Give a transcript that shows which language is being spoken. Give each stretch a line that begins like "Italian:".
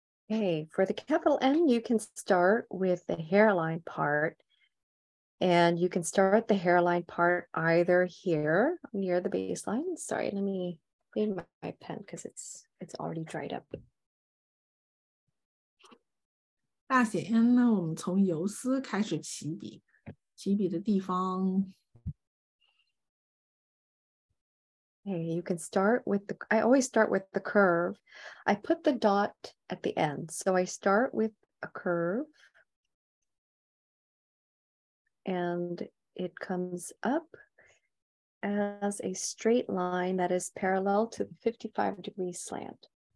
English: Okay, for the capital N, you can start with the hairline part, and you can start the hairline part either here near the baseline. Sorry, let me clean my pen because it's already dried up.
Chinese: 大写N呢，我们从游丝开始起笔，起笔的地方。
English: Okay, you can start with the, I always start with the curve. I put the dot at the end. So I start with a curve and it comes up as a straight line that is parallel to the 55 degree slant.